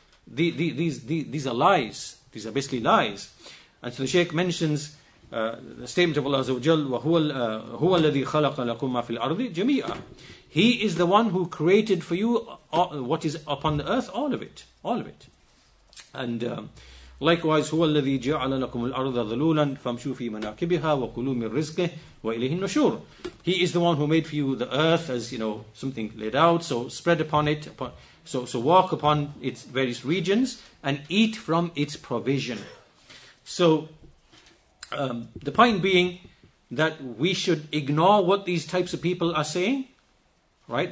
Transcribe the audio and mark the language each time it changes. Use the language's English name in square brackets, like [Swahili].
[English] These are lies. These are basically lies. And so the Shaykh mentions the statement of Allah Azza wa Jal, [Arabic] وَهُوَ الَّذِي خَلَقَ لَكُمْ مَا فِي الْأَرْضِ جَمِيعًا. [English] He is the one who created for you what is upon the earth, all of it. All of it. And likewise, [Arabic] هو الذي جعل لكم الأرض ذلولا فامشوا في مناكبها وكلوا من رزقه وإليه النشور. [English] He is the one who made for you the earth, as you know, something laid out, so spread upon it, so walk upon its various regions and eat from its provision. So the point being that we should ignore what these types of people are saying. Right?